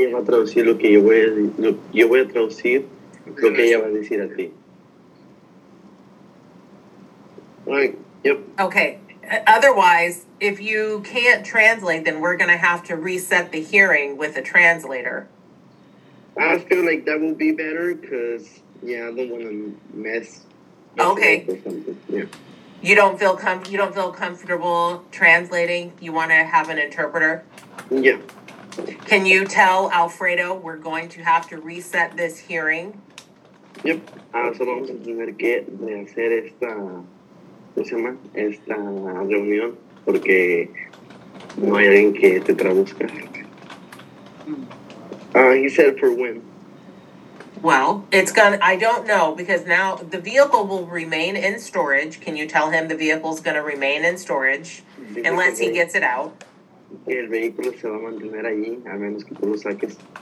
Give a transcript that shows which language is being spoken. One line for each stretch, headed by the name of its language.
Spanish: Ella va a traducir lo que yo voy a decir. Yo voy a traducir... Lo que ella va a decir a ti.
English: Okay. Otherwise, if you can't translate, then we're going to have to reset the hearing with a translator. I feel like that will be better because, yeah, I don't want to mess. Okay. Yeah. You don't feel comfortable translating? You want to have an interpreter? Yeah. Can you tell Alfredo we're going to have to reset this hearing?
Spanish: Yep, solo vamos a tener que hacer esta, ¿cómo se llama? Esta reunión, porque no hay alguien que te traduzca.
English: He said for when. Well, I don't know, because now the vehicle will remain in storage. Can you tell him the vehicle's going to remain in storage unless he gets it out?
Spanish: El vehículo se va a mantener allí, a menos que tú lo saques.